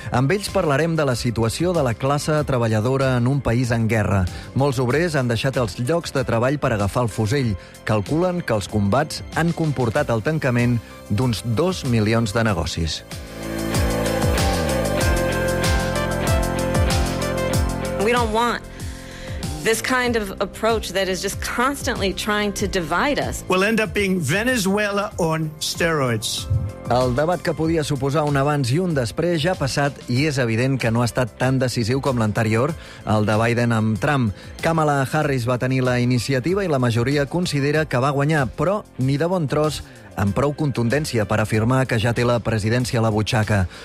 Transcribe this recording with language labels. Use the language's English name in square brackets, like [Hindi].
[Catalan] Amb ells parlarem de la situació de la classe treballadora en un país en guerra. Molts obrers han deixat els llocs de treball per agafar el fusell. Calculen que els combats han comportat el tancament d'uns 2 milions de negocis. [English] We don't want this kind of approach that is just constantly trying to divide us. We'll end up being Venezuela on steroids. [Catalan] El debat que podia suposar un abans i un després ja ha passat i és evident que no ha estat tan decisiu com l'anterior, el de Biden amb Trump. Kamala Harris va tenir la iniciativa i la majoria considera que va guanyar, però ni de bon tros amb prou contundència per afirmar que ja té la presidència a la butxaca.